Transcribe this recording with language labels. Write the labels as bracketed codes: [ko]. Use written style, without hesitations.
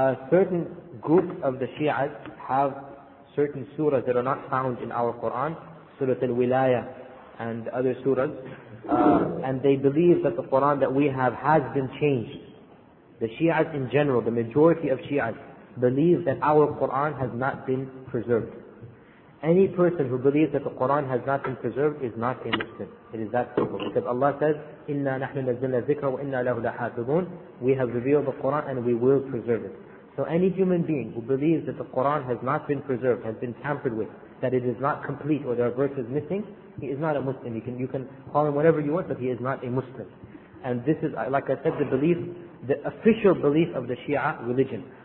[en] Certain groups of the Shias have certain surahs that are not found in our Qur'an, Surah Al-Wilayah and other surahs, and they believe that the Qur'an that we have has been changed. The Shias in general, the majority of Shias, believe that our Qur'an has not been preserved. Any person who believes that the Qur'an has not been preserved is not a Muslim. It is that simple. Because Allah says, [ar] إِنَّا نَحْنُ نَزِّلْنَا الذِّكْرَ وَإِنَّا لَهُ لَحَافِظُونَ. [en] We have revealed the Qur'an and we will preserve it. So any human being who believes that the Qur'an has not been preserved, has been tampered with, that it is not complete or there are verses missing, he is not a Muslim. You can call him whatever you want, but he is not a Muslim. And this is, like I said, the belief, the official belief of the Shia religion.